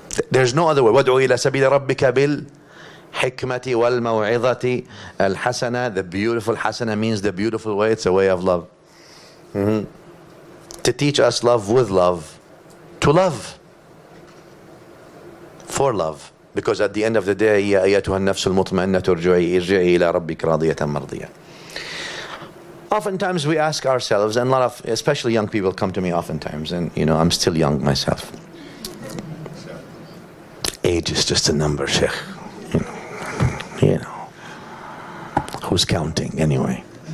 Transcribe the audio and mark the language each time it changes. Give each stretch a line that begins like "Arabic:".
English: There's no other way.
Arabic: وَدْعُوا إِلَى سَبِيلَ رَبِّكَ بِالْ حِكْمَةِ وَالْمَوْعِظَةِ الْحَسَنَةِ.
English: The beautiful hasana means the beautiful way. It's a way of love. Mm-hmm. To teach us love with love. To love. For love. Because at the end of the day,
Arabic: يَا أَيَّتُهَا النَّفْسُ الْمُطْمَئِنَّةُ ارْجِعِي إِلَى رَبِّكَ رَاضِيَةً مَرْضِيَةً.
English: Oftentimes we ask ourselves, and a lot of, especially young people come to me oftentimes, and you know, I'm still young myself. Age is just a number, Shaykh. You know, who's counting anyway?